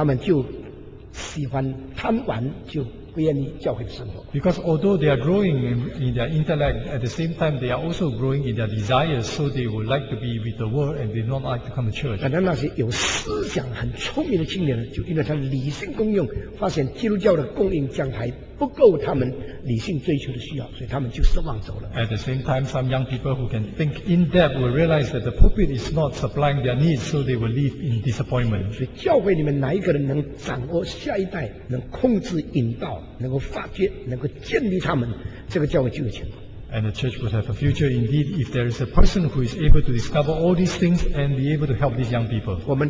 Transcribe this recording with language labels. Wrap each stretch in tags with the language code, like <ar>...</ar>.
<zh>因为他们一方面理性发展，另外一边情报春开，所以比较普通的世俗的思想的品质的青年人，他们就喜欢贪玩，就。</zh> <en>Because although they are growing in their intellect, at the same time they are also growing in their desires, so they would like to be with the world and they don't like to come to church.</en> <zh>但那些有思想很聪明的青年人，就因为他理性功用，发现基督教的供应讲台不够他们理性追求的需要，所以他们就失望走了。</zh> <en>At the same time, some young people who can think in depth will realize that the pulpit is not supplying their needs, so they will leave in disappointment.</en> <zh>所以教会里面哪一个人能掌握下一代，能控制引导？能够发掘，能够建立他们，</zh> <en>And the church would have a future indeed if there is a person who is able to discover all these things and be able to help these young people.</en>